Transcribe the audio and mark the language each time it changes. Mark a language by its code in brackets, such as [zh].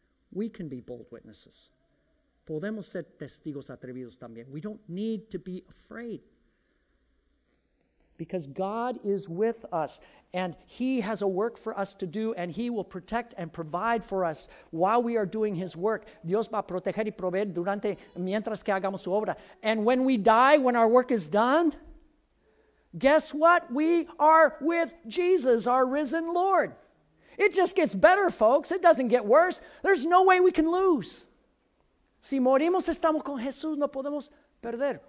[en] We can be bold witnesses. [es] Podemos ser testigos atrevidos también. [en] We don't need to be afraid. Because God is with us, and He has a work for us to do, and He will protect and provide for us while we are doing His work. [es] Dios va a proteger y proveer durante mientras que hagamos su obra. [en] And when we die, when our work is done, guess what? We are with Jesus, our risen Lord. It just gets better, folks. It doesn't get worse. There's no way we can lose. [es] Si morimos, estamos con Jesús, no podemos perder.